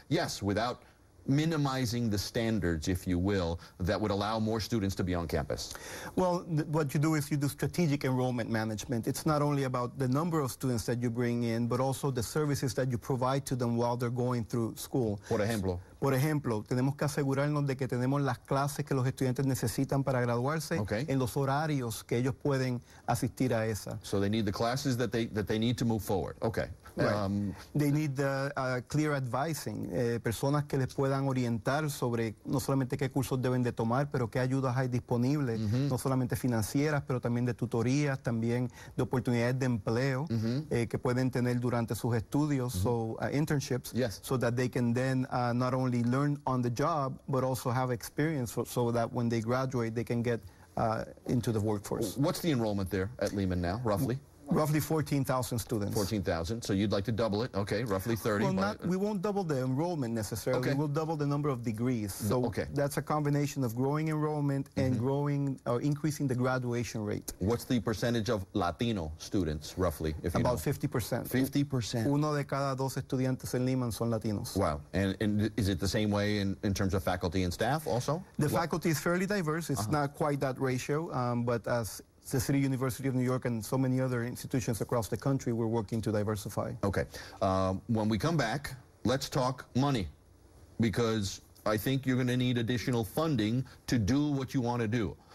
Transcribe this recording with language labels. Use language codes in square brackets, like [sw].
[en] Yes, without minimizing the standards, if you will, that would allow more students to be on campus? Well, what you do is you do strategic enrollment management. It's not only about the number of students that you bring in, but also the services that you provide to them while they're going through school. [es] Por ejemplo, tenemos que asegurarnos de que tenemos las clases que los estudiantes necesitan para graduarse [en] okay. [es] en los horarios que ellos pueden asistir a esa. [en] So they need the classes that they need to move forward. Okay. Right. They need the clear advising, [es] personas que les puedan puedan orientar sobre no solamente qué cursos deben de tomar, pero qué ayudas hay disponibles, uh-huh. no solamente financieras, pero también de tutorías, también de oportunidades de empleo uh-huh. Que pueden tener durante sus estudios, uh-huh. [en] so internships, yes. so that they can then not only learn on the job, but also have experience so that when they graduate, they can get into the workforce. What's the enrollment there at Lehman now, roughly? Roughly 14,000 students. 14,000, so you'd like to double it, okay, roughly 30. Well, we won't double the enrollment necessarily. Okay. We'll double the number of degrees. So okay. That's a combination of growing enrollment mm-hmm. and growing or increasing the graduation rate. What's the percentage of Latino students, roughly, if about you know? 50%. 50%? [es] Uno de cada dos estudiantes en Lehman son Latinos. [en] Wow, and is it the same way in terms of faculty and staff also? The faculty is fairly diverse. It's uh-huh. not quite that ratio, but as the City University of New York and so many other institutions across the country, we're working to diversify. Okay. When we come back, let's talk money, because I think you're going to need additional funding to do what you want to do.